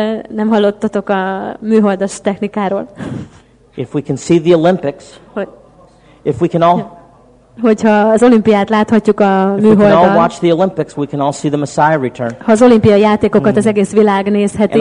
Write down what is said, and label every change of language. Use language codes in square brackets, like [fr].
[hu] Nem hallottatok a műholdas technikáról? [en] If we can see the Olympics, if we can all, [hu] hogyha az olimpiát láthatjuk a műholdon, [en] if we can all watch the Olympics, we can all see the Messiah return. [hu] Ha az olimpiai játékokat az egész világ nézheti,